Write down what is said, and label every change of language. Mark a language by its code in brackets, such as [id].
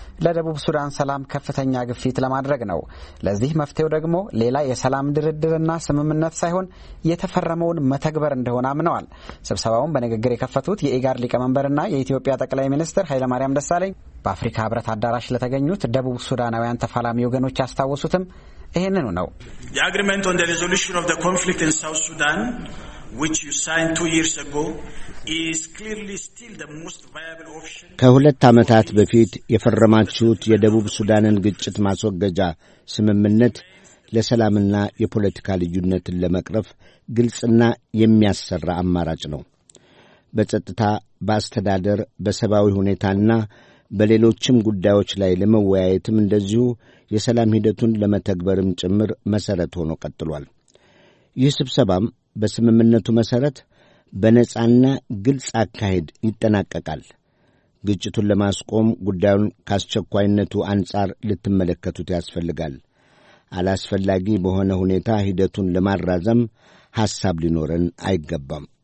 [am] ለደቡብ ሱዳን ሰላም ከፍተኛ ግፊት ለማድረግ ነው። ለዚህ መፍትሄው ደግሞ ሌላ የሰላም ድርድርና ስምምነት ሳይሆን የተፈረመውን መተግበር እንደሆነ አምነዋል። ስብሰባውን በንግግር የከፈቱት የኢጋድ ሊቀመንበርና የኢትዮጵያ ጠቅላይ ሚኒስትር ኃይለማርያም ደሳለኝ በአፍሪካ ህብረት አዳራሽ ለተገኙት ደቡብ ሱዳናውያን ተፋላሚ ወገኖች ያስታወሱትም ይህንኑ ነው። [en] The agreement on the resolution of the conflict in South Sudan, which you signed 2 years ago, is clearly still the most viable option. [am] ከሁለት ዓመታት በፊት የፈረማችሁት የደቡብ ሱዳንን ግጭት ማስወገጃ ስምምነት ለሰላምና የፖለቲካ ልዩነትን ለመቅረፍ ግልጽና የሚያሰራ አማራጭ ነው። በጸጥታ፣ በአስተዳደር፣ በሰብአዊ ሁኔታና በሌሎችም ጉዳዮች ላይ ለመወያየትም እንደዚሁ የሰላም ሂደቱን ለመተግበርም ጭምር መሠረት ሆኖ ቀጥሏል። ይህ ስብሰባም በስምምነቱ መሠረት በነጻና ግልጽ አካሄድ ይጠናቀቃል። ግጭቱን ለማስቆም ጉዳዩን ከአስቸኳይነቱ አንጻር ልትመለከቱት ያስፈልጋል። አላስፈላጊ በሆነ ሁኔታ ሂደቱን ለማራዘም ሐሳብ ሊኖረን አይገባም።